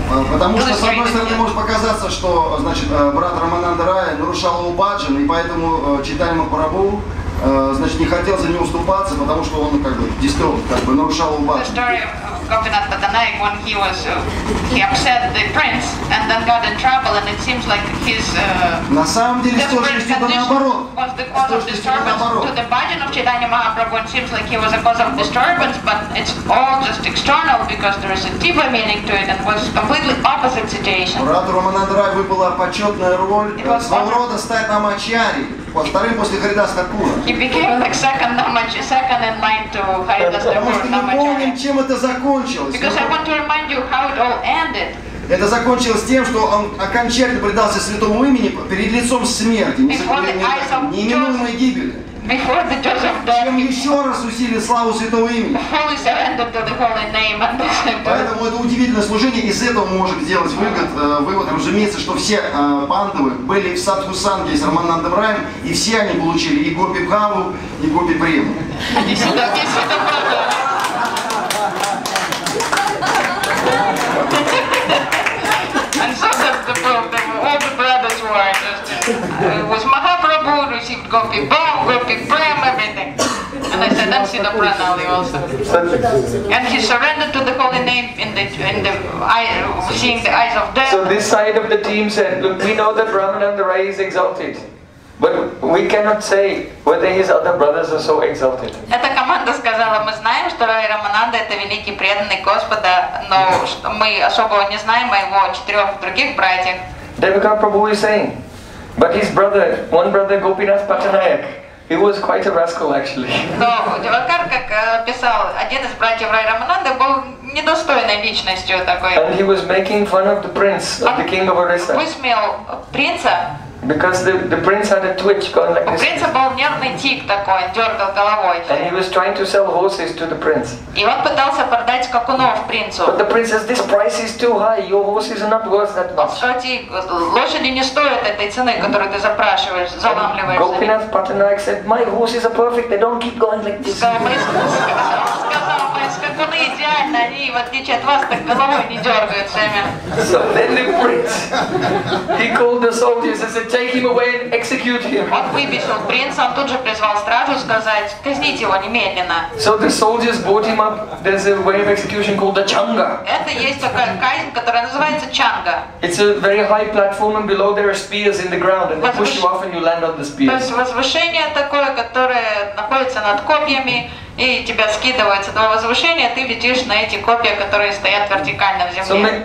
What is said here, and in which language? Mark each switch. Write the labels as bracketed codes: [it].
[ru] Потому что, с одной стороны, может показаться, что, значит, брат Рамананда Рая нарушал его баджан, и поэтому Чайтанья Махапрабху, значит, не хотел за него уступаться, потому что он, как бы, действительно, как бы, нарушал его баджан. [en] Gopinath Patanayak, when he upset the prince and then got in trouble, and it seems like his was the cause of disturbance to the bhajan of Chaitanya Mahaprabhu. It seems like he was a cause of disturbance, but it's all just external because there is a deeper meaning to it, and was completely opposite situation. [ru] Брат Рамананда Рай выпала почетная роль своего рода стать намачари. Во-вторых, после Харидас Такура. [en] He became like second in line to Харидас Такура. [ru] Потому что мы помним, чем это закончилось. [en] Because I want to remind you how it all ended. [ru] Это закончилось тем, что он окончательно предался святому имени перед лицом смерти, неминуемой гибели. [en] Before the judge of death. [ru] Чем еще раз усилил славу святого имени. [en] The holy surrender to the holy name. [ru] Поэтому это удивительное служение, из этого мы можем сделать вывод. Разумеется, что все пандавы были в садху-санге с Рамананда Раем, и все они получили и гопи бхаву, и гопи прему. [en] And so that's the problem. All the brothers were just... It was Mahaprabhu received Gopi Bom, Gopi Prem, everything. And I said, that's Sita Pranali also. And he surrendered to the holy name in the eye, seeing the eyes of death. So this side of the team said, look, we know that Ramanandaraya is exalted. But we cannot say whether his other brothers are so exalted. [ru] Эта команда сказала, мы знаем, что Рай Рамананда это великий преданный Господа, но мы особо не знаем о его четырех других братьях. [en] Devika Prabhu is saying, but his brother, one brother Gopinath Patanayak, he was quite a rascal actually. [ru] Но Девакар, как писал, один из братьев Рай Рамананды был недостойной личностью такой. [en] And he was making fun of the prince, of the king of Orissa. [ru] Высмеял принца. [en] Because the prince had a twitch going like this. [ru] У принца был нервный тик такой, дергал головой. [en] And he was trying to sell horses to the prince. [ru] И он пытался продать скакунов принцу. [en] But the prince says, this price is too high, your horses are not worth that much. [ru] Кстати, лошади не стоят этой цены, которую ты запрашиваешь, заламливаешь. [en] Gopinath Patanayak said, my horses are perfect, they don't keep going like this. [ru] Сказал, мои скакуны идеальны, они, в отличие от вас, так головой не дергают сами. [en] So then the prince, he called the soldiers and said, take him away and execute him. [ru] Он выбесил принца, он тут же призвал стражу сказать, казнить его немедленно. [en] So the soldiers brought him up. There's a way of execution called the changa. [ru] Это есть такая казнь, которая называется чанга. [en] It's a very high platform and below there are spears in the ground and they push you off and you land on the spears. [ru] То есть возвышение такое, которое находится над копьями, и тебя скидывают с этого возвышения, ты летишь на эти копья, которые стоят вертикально в земле.